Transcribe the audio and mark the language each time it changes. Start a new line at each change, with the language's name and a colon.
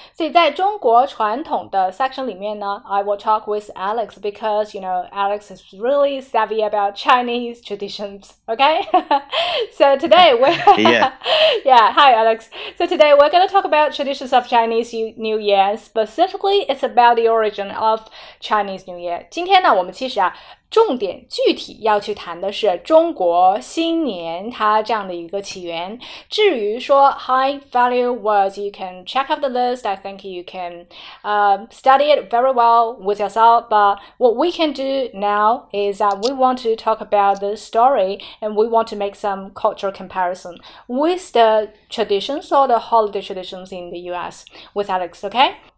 Chinese: 所以在中国传统的 section 里面呢，
English: I will talk with Alex because you know Alex is really savvy about Chinese traditions. Okay, so today we, yeah, hi Alex. So today we're gonna talk about traditions of Chinese New Year. Specifically, it's about the origin of Chinese New Year.
Chinese: 今天呢，我们其实啊。重点具体要去谈的是中国新年它这样的一个起源。至于说
English: high value words, you can check out the list. I think you can study it very well with yourself. But what we can do now is that we want to talk about the story and we want to make some cultural comparison with the traditions or the holiday traditions in the US with Alex, okay?